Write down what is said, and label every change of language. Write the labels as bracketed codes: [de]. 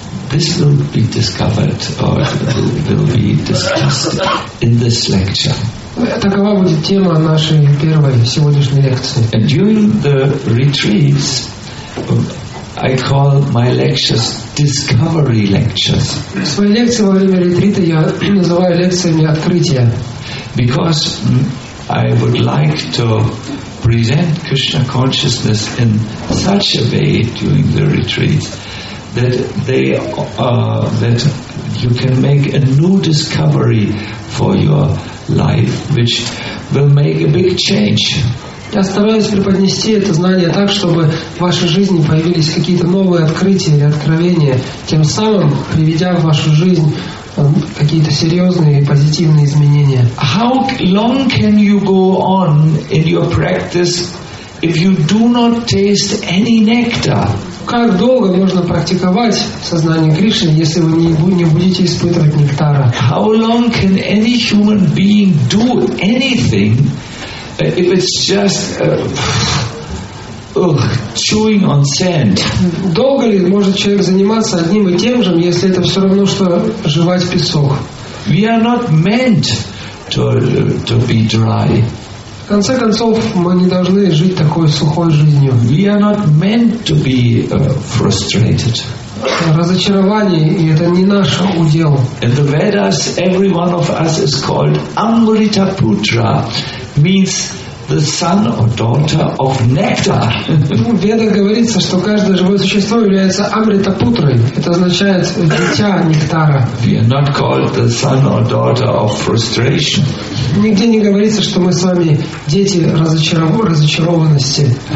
[en] This will be discovered or will be discussed in this lecture. [ru] Такова будет тема нашей первой сегодняшней лекции. [en] And during the retreats, I call my lectures discovery lectures. [ru] Свои лекции во время ретрита я называю лекциями открытия. [en] Because I would like to present Krishna consciousness in such a way during the retreats that they that you can make a new discovery for your life, which will make a big change. [ru] Я стараюсь преподнести это знание так, чтобы в вашей жизни появились какие-то новые открытия или откровения, тем самым приведя в вашу жизнь какие-то серьезные и позитивные изменения. [en] How long can you go on in your practice if you do not taste any nectar? [ru] Как долго можно практиковать сознание Кришны, если вы не будете испытывать нектара? [en] How long can any human being do anything if it's just chewing on sand? [ru] Долго ли может человек заниматься одним и тем же, если это все равно, что жевать песок? [en] We are not meant to be dry. [ru] В конце концов, мы не должны жить такой сухой жизнью. [en] We are not meant to be frustrated. [ru] Разочарование – это не наш удел. [en] In the Vedas, every one of us is called Amrita Putra, means the son or daughter of nectar. [ru] В Ведах говорится, что каждое живое существо является Амрита Путрой. Это означает дитя нектара. [en] We are not called the son or daughter of frustration. [ru] Нигде не говорится, что мы с вами дети разочарованности.